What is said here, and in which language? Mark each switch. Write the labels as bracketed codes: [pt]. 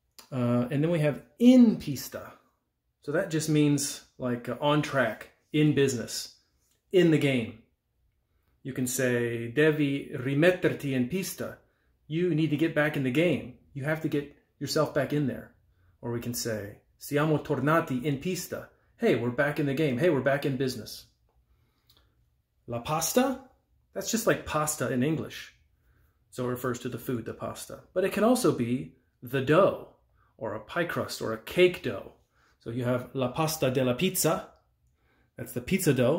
[en] And then we have in pista. So that just means like on track, in business, in the game. You can say, [it] devi rimetterti in pista. [en] You need to get back in the game. You have to get yourself back in there. Or we can say, [it] siamo tornati in pista. [en] Hey, we're back in the game. Hey, we're back in business. [it] La pasta? [en] That's just like pasta in English. So it refers to the food, the pasta. But it can also be the dough. Or a pie crust, or a cake dough. So you have [it] la pasta della pizza. [en] That's the pizza dough.